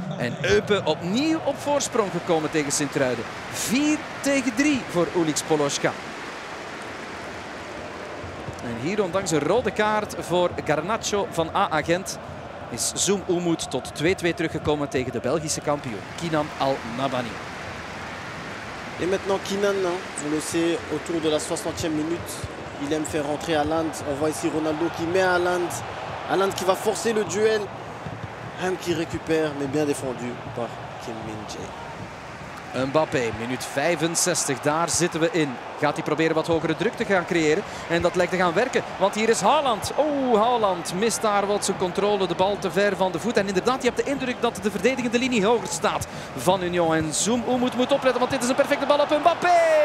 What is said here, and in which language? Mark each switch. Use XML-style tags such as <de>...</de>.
<nl>En Eupen opnieuw op voorsprong gekomen tegen Sint-Truiden. 4 tegen 3 voor Ulix Poloska. En hier ondanks een rode kaart voor Garnacho van AA Gent is Zoom Umut tot 2-2 teruggekomen tegen de Belgische kampioen Kinan Al-Nabani.</nl> <fr>Et maintenant Kinan, hein, vous le savez, autour de la 60e minute, il aime faire rentrer Haaland. On voit ici Ronaldo qui met Haaland. Haaland qui va forcer le duel. Ham qui récupère, mais bien défendu par Kim Min-jae.</fr> <nl>Mbappé, minuut 65, daar zitten we in. Gaat hij proberen wat hogere druk te gaan creëren? En dat lijkt te gaan werken, want hier is Haaland. Haaland mist daar wat zijn controle, de bal te ver van de voet. En inderdaad, je hebt de indruk dat de verdedigende linie hoger staat van Union. En Zoom moet opletten, want dit is een perfecte bal op Mbappé.</nl>